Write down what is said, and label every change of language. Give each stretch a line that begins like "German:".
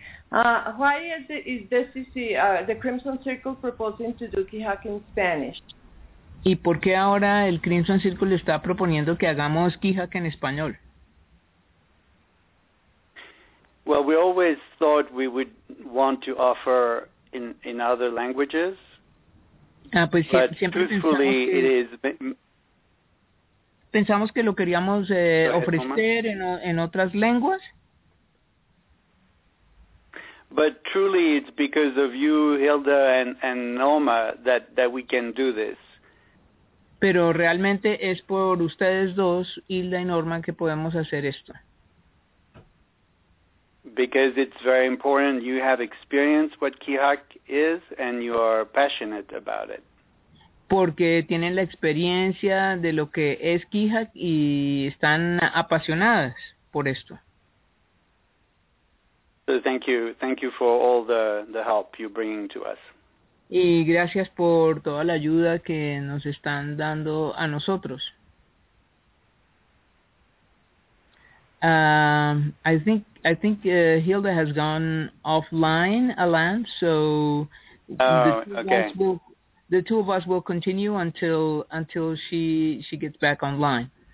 English: Why is the CC, the Crimson Circle proposing to do KeyHack in Spanish?
Spanish: ¿Y por qué ahora el Crimson Circle está proponiendo que hagamos KeyHack en español?
English: Well, we always thought we would want to offer in other languages.
Spanish: Ah, pues siempre
English: truthfully,
Spanish: pensamos que lo queríamos ofrecer en otras lenguas.
English: But truly it's because of you, Hilda and Norma that we can do this.
Spanish: Pero realmente es por ustedes dos, Hilda y Norma, que podemos hacer esto.
English: Because it's very important you have experienced what KeyHack is and you are passionate about it.
Spanish: Porque tienen la experiencia de lo que es KeyHack y están apasionadas por esto.
English: So thank you for all the help you bring to us.
Spanish: Y gracias por toda la ayuda que nos están dando a nosotros.
English: I think Hilda has gone offline, Alan. So The two of us will continue until she gets back online.